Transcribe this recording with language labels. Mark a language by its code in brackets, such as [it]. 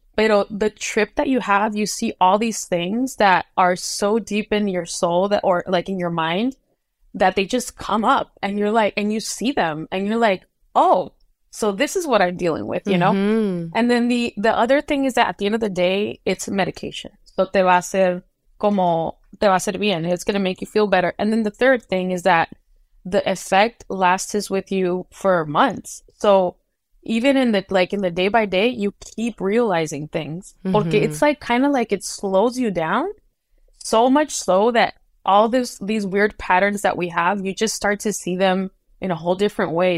[en] Pero the trip that you have, you see all these things that are so deep in your soul that, or like in your mind, that they just come up and you're like, and you see them and you're like, oh, so this is what I'm dealing with, you know? And then the other thing is that at the end of the day, it's medication. [es] So te va a hacer como, te va a hacer bien. [en] It's going to make you feel better. And then the third thing is that the effect lasts with you for months. So even in the, like, in the day by day, you keep realizing things. Porque it's, like, kind of, like, it slows you down. So much so that all these weird patterns that we have, you just start to see them in a whole different way.